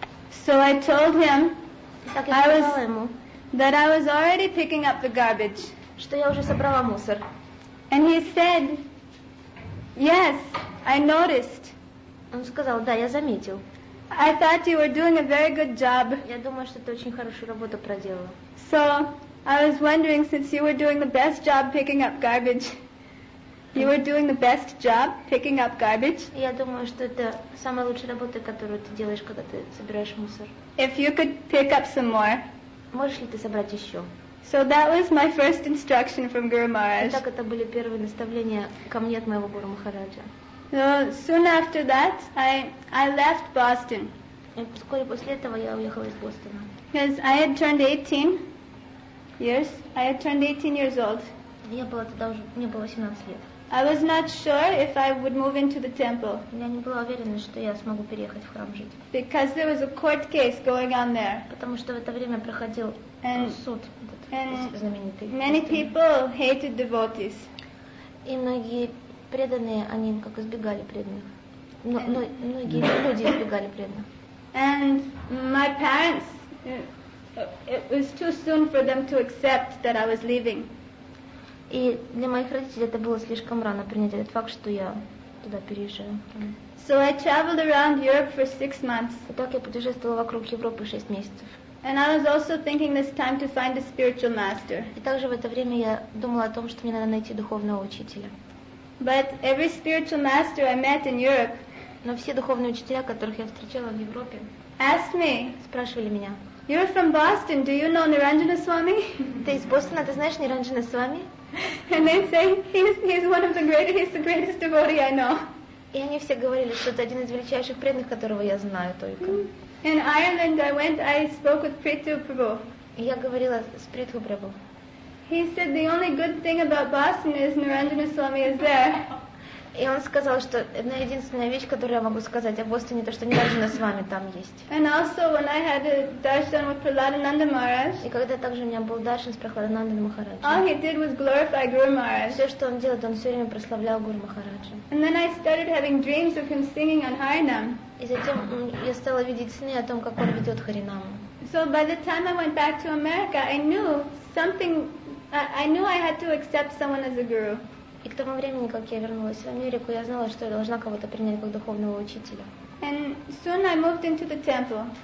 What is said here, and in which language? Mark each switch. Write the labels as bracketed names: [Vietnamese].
[English] So I told him that I was already picking up the garbage. [Russian] Что я уже собрала мусор. [English] And he said, "Yes, I noticed." [Russian] Он сказал, да, я заметил. [English] I thought you were doing a very good job. [Russian] Я думаю, что ты очень хорошую работу проделала. [English] So, I was wondering, since you were doing the best job picking up garbage. You were doing the best job picking up garbage. [Russian] Я думаю, что это самая лучшая работа, которую ты делаешь, когда ты собираешь мусор. [English] If you could pick up some more. [Russian] Можешь ли ты собрать ещё? [English] So that was my first instruction from Guru Maharaj. [Russian] Итак, это были первые наставления ко мне от моего Гуру Махараджа. [English] So soon after that, I left Boston. [Russian] И вскоре после этого я уехала из Бостона. [English] Because I had turned 18 years. I had turned 18 years old. [Russian] Я была тогда уже, мне было 18 лет. [English] I was not sure if I would move into the temple. [Russian] Я не была уверена, что я смогу переехать в храм жить. [English] Because there was a court case going on there. [Russian] Потому что в это время проходил суд, этот знаменитый. [English] Many people hated devotees. [Russian] И многие преданные, они как избегали преданных. Многие люди избегали преданных. [English] And my parents, it was too soon for them to accept that I was leaving. [Russian] И для моих родителей это было слишком рано принять этот факт, что я туда переезжаю. [English] So I traveled around Europe for 6 months. [Russian] И так я путешествовала вокруг Европы 6 месяцев. [English] And I was also thinking this time to find a spiritual master. [Russian] И также в это время я думала о том, что мне надо найти духовного учителя. [English] But every spiritual master I met in Europe. [Russian] Но все духовные учителя, которых я встречала в Европе, [English] asked me. [Russian] Спрашивали меня. [English] You're from Boston. Do you know Niranjana Swami? [Russian] Ты из Бостона, ты знаешь Niranjana Swami? [English] And they say he's one of the greatest, he's the greatest devotee I know. [Russian] И они все говорили, что это один из величайших преданных, которого я знаю только. [English] In Ireland, I spoke with Prithu Prabhu. [Russian] Я говорила с Прithu Prabhu. [English] He said the only good thing about Boston is Niranjana Swami is there. [Russian] И он сказал, что одна единственная вещь, которую я могу сказать о Бостоне, то, что Niranjana Swami там есть. [English] And also when I had a darshan with Prahladananda Maharaj. [Russian] И когда также у меня был даршан с Прахладанандой Махараджи. [English] All he did was glorify Guru Maharaj. [Russian] Все, что он делал, он все время прославлял Гуру Махараджа. [English] And then I started having dreams of him singing on Харинам. [Russian] И затем я стала видеть сны о том, как он ведет Харинаму. [English] So by the time I went back to America, I knew something. I knew I had to accept someone as a guru. [Russian] И к тому времени, как я вернулась в Америку, я знала, что я должна кого-то принять как духовного учителя. [English] And soon I moved into the temple.